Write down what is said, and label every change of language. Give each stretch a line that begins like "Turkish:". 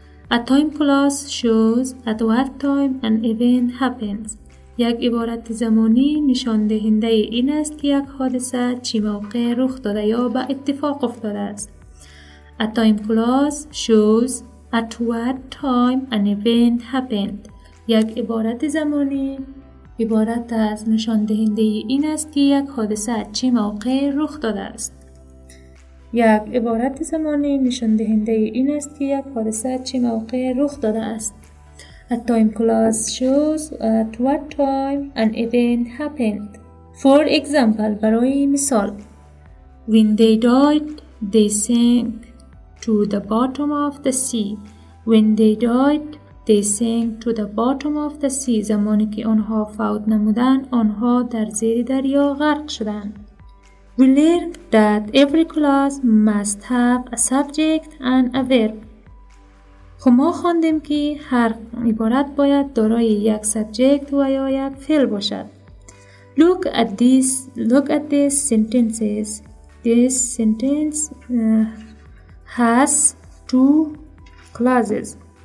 English: A time clause shows at what time an event happens.
Persian: یک عبارت زمانی نشان دهنده این است که یک حادثه چه موقع رخ داده یا به اتفاق افتاده است.
English: A time clause shows at what time an event happened.
Persian: یک عبارت زمانی عبارت از نشان دهنده این است که یک حادثه چه موقع رخ داده است. یک عبارت زمانی نشان دهنده این است که یک حادثه چه موقع رخ داده است.
English: A time clause shows at what time an event happened. For example,
Persian: برای مثال,
English: when they died, they sank to the bottom of the sea. When they died, they sank to the bottom of the sea.
Persian: زمانی که آنها فوت نمودند، آنها در زیر دریا غرق شدند.
English: We learned that every clause must have a subject and a verb.
Persian: خب ما خواندیم که هر عبارت باید دارای یک سبجکت و یا یک فعل باشد.
English: Look at these sentences. This sentence has two clauses.